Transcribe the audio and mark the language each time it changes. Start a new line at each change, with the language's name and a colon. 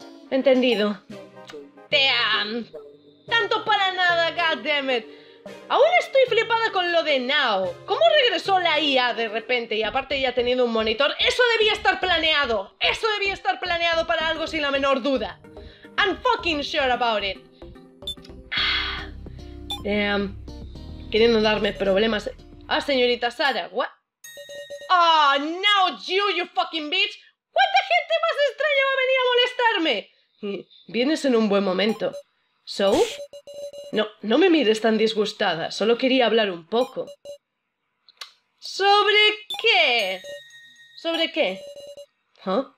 Spanish: Entendido.
English: ¡Damn!
Spanish: ¡Tanto para nada, goddammit! Aún estoy flipada con lo de Nao. ¿Cómo regresó la IA de repente y aparte ya teniendo un monitor? ¡Eso debía estar planeado! ¡Eso debía estar planeado para algo sin la menor duda!
English: I'm fucking sure about it. Damn.
Spanish: Queriendo darme problemas. Ah, señorita Sara,
English: what? Oh, now you fucking bitch.
Spanish: ¿Cuánta gente más extraña va a venir a molestarme? Vienes en un buen momento. So? No, no me mires tan disgustada. Solo quería hablar un poco. ¿Sobre qué? ¿Sobre qué? Huh?